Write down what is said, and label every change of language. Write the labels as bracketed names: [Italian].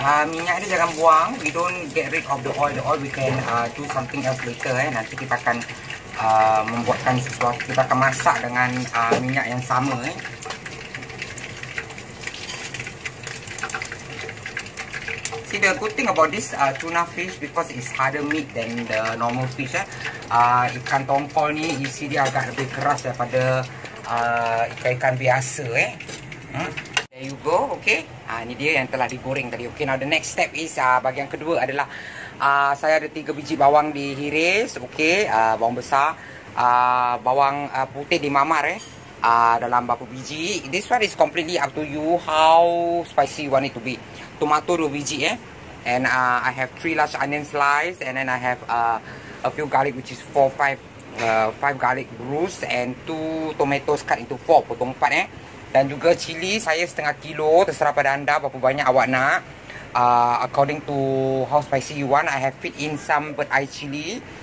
[Malay] Minyak dia jangan buang, [English] we don't get rid of the oil we can do something else later eh. [Malay] Nanti kita akan membuatkan sesuatu, kita akan masak dengan minyak yang sama eh. [English] The good thing about this tuna fish because it's harder meat than the normal fish eh. [Malay] Ikan tongkol ni isi dia agak lebih keras daripada ikan-ikan biasa eh. [English] There you go, okay. [Malay] Ni dia yang telah digoreng tadi. [English] Okay, now the next step is [Malay] bahagian kedua adalah saya ada 3 biji bawang dihiris, okay. Bawang besar, bawang putih dimamar eh. Dalam berapa biji. [English] This one is completely up to you how spicy you want it to be. [Malay] Tomato 2 biji eh. [English] And I have 3 large onion slice. And then I have a few garlic, which is 5 garlic bruised. And 2 tomatoes cut into 4, [Malay] potong 4 eh. Dan juga cili saya setengah kilo. Terserah pada anda berapa banyak awak nak. [English] According to how spicy you want, I have fit in some bird eye chili.